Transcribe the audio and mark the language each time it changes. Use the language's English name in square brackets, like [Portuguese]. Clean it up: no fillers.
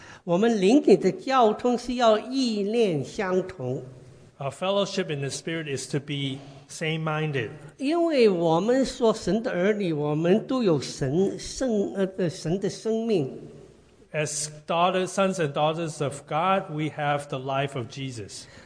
[Chinese] 我们灵里的交通是要意念相同。 [English] Our fellowship in the Spirit is to be same-minded. [Chinese] 因为我们说神的儿女, 我们都有神的生命。 [English] As daughters, sons and daughters of God, we have the life of Jesus.